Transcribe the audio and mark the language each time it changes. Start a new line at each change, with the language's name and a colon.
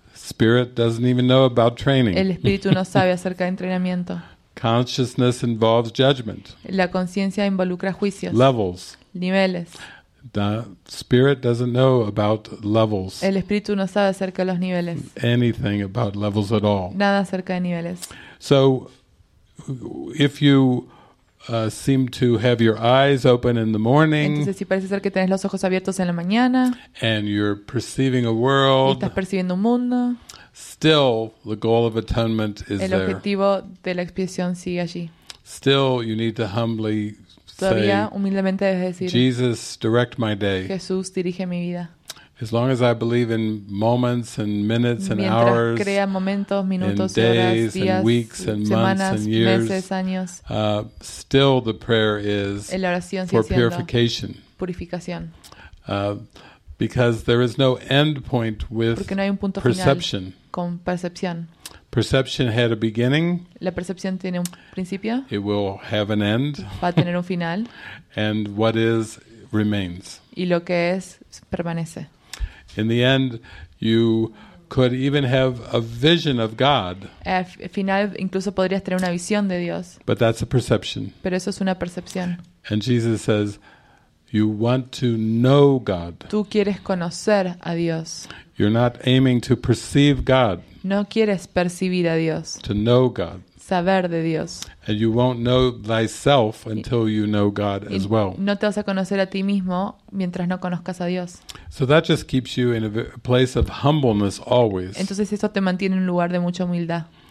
English: Spirit doesn't even know about training.
Spanish: El espíritu no sabe acerca de entrenamiento.
English: Consciousness involves judgment.
Spanish: La conciencia involucra juicios.
English: Levels.
Spanish: Niveles.
English: The spirit doesn't know about levels.
Spanish: El espíritu no sabe acerca de los niveles.
English: Anything about levels at all.
Spanish: Nada acerca de niveles.
English: So, if you seem to have your eyes open in the morning.
Spanish: Entonces, si parece ser que tenés los ojos abiertos en la mañana.
English: And you're perceiving a world.
Spanish: Y estás percibiendo un mundo.
English: Still, the goal of atonement is there.
Spanish: El objetivo de la expiación sigue allí.
English: Still, you need to humbly say,
Spanish: humildemente debes decir,
English: Jesus, direct my day.
Spanish: Jesús, dirige mi vida.
English: As long as I believe in moments and minutes and hours,
Spanish: crea momentos, minutos,
English: and days
Spanish: horas, días,
English: and weeks and
Spanish: semanas,
English: months and years,
Spanish: meses, años,
English: still the prayer is
Spanish: la oración
English: for purification.
Spanish: Purificación.
English: Because there is no end point with
Spanish: porque no hay un punto
English: perception.
Spanish: Final con percepción.
English: Perception had a beginning.
Spanish: La percepción tiene un principio.
English: It will have an end.
Spanish: Va a tener un final.
English: And what is remains.
Spanish: Y lo que es permanece.
English: In the end, you could even have a vision of God.
Spanish: Al final, incluso podrías tener una visión de Dios.
English: But that's a perception.
Spanish: Pero eso es una percepción.
English: And Jesus says, you want to know God.
Spanish: Tú quieres conocer a Dios.
English: You're not aiming to perceive God.
Spanish: No quieres percibir a Dios.
English: To know God.
Spanish: Saber de Dios.
English: And you won't know thyself until you know God as well.
Spanish: No te vas a conocer a ti mismo mientras no conozcas a Dios.
English: So that just keeps you in a place of humbleness always.
Spanish: Entonces eso te mantiene en un lugar de mucha humildad.